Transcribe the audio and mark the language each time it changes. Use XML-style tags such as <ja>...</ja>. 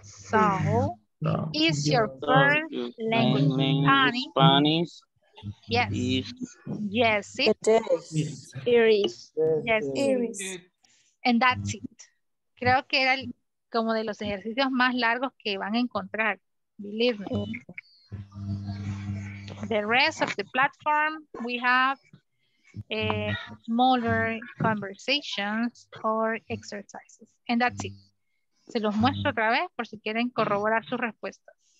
<en>So, is your first language Spanish? Spanish. Yes. Yes, it is. It is. Yes, it is. And that's it.</en> <es>Creo que era como de los ejercicios más largos que van a encontrar.</es> <en>Believe me. The rest of the platform, we have smaller conversations or exercises. And that's it.</en> <es>Se los muestro otra vez por si quieren corroborar sus respuestas.</es>